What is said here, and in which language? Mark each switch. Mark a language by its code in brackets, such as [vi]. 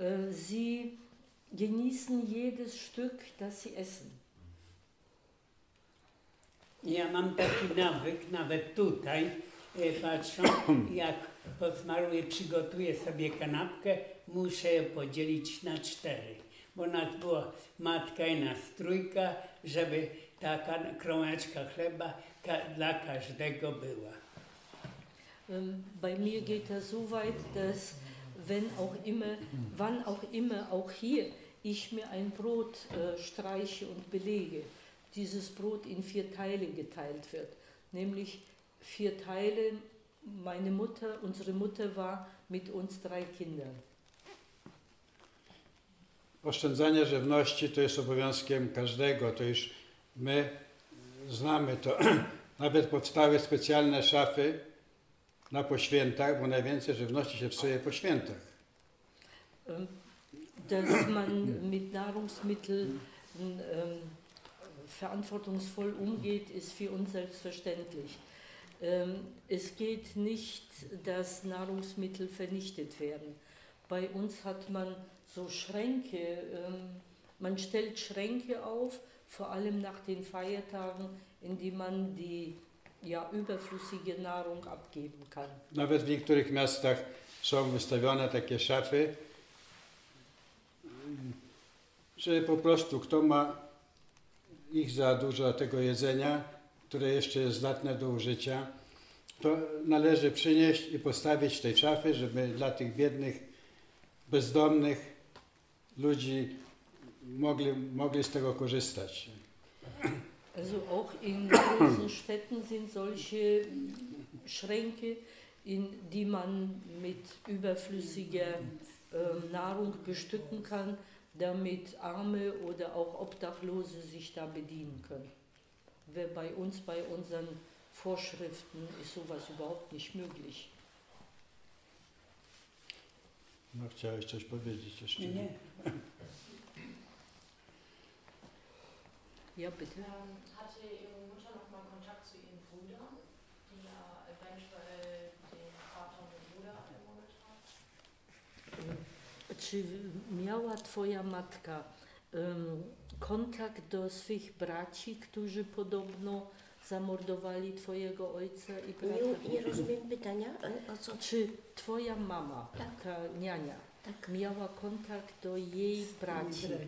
[de] Sie genießen jedes Stück, das sie essen. [pl] Ja mam taki nawyk, nawet tutaj, patrząc, jak rozmaruję, przygotuję sobie kanapkę, muszę ją podzielić na cztery. Bo nas była matka i nas trójka, żeby ta krążeczka chleba dla każdego była. [de] Bei mir geht das so weit, dass wenn auch immer, wann auch immer, auch hier, ich mir ein Brot streiche und belege, dieses Brot in vier Teile geteilt wird. Nämlich vier Teile, meine Mutter, unsere Mutter war mit uns drei Kindern. [pl] Oszczędzanie żywności to jest obowiązkiem każdego, to już my znamy to. Nawet powstały specjalne szafy na poświętach, bo najwięcej żywności się psuje po świętach. [de] Dass man mit Nahrungsmitteln verantwortungsvoll umgeht, ist für uns selbstverständlich. Es geht nicht, dass Nahrungsmittel vernichtet werden. Bei uns hat man so Schränke, man stellt Schränke auf, vor allem nach den Feiertagen, in die man die ja, überflüssige Nahrung abgeben kann. [pl] Nawet w niektórych miastach są wystawione takie szafy, że po prostu kto ma ich za dużo tego jedzenia, które jeszcze jest zdatne do użycia, to należy przynieść i postawić tej szafy, żeby dla tych biednych, bezdomnych ludzi mogli z tego korzystać. [de] Also auch in großen Städten sind solche Schränke, in die man mit überflüssiger Nahrung bestücken kann, damit Arme oder auch Obdachlose sich da bedienen können. Weil bei uns, bei unseren Vorschriften ist sowas überhaupt nicht möglich. [pl] No, chciałeś coś powiedzieć jeszcze? Nie. [de] Ja, bitte. Hatte Ihre Mutter noch mal Kontakt zu Ihren Brüdern, die ja eventuell den Vater und den Bruder im Moment haben? [pl] Czy miała Twoja matka kontakt do swych braci, którzy podobno zamordowali Twojego ojca i brata? Nie rozumiem pytania, o co? Czy Twoja mama, ta niania, tak, miała kontakt do jej braci,